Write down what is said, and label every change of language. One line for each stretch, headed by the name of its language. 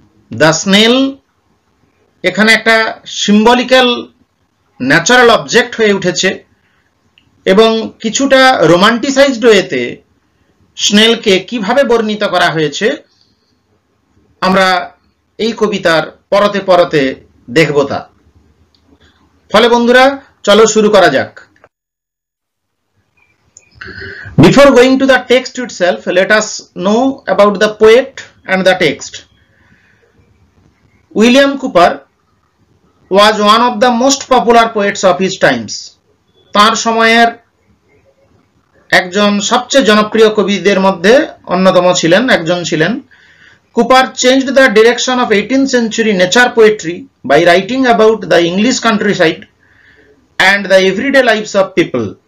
Bangla: The snail এখানে একটা
English: symbolical natural object
Bangla: হয়ে উঠেছে এবং কিছুটা রোমান্টিসাইজড ওয়েতে স্নেলকে কিভাবে বর্ণিত করা হয়েছে আমরা এই কবিতার পরতে পরতে দেখব। তা ফলে বন্ধুরা চলো শুরু করা যাক।
English: Before going to the text itself, let us know about the poet and the text. William Cowper was one of the most popular poets of his times।
Bangla: তার সময়ের একজন সবচেয়ে জনপ্রিয় কবিদের মধ্যে অন্যতম ছিলেন, একজন ছিলেন।
English: Cowper changed the direction of 18th century nature poetry by writing about the English countryside and the everyday lifes of people.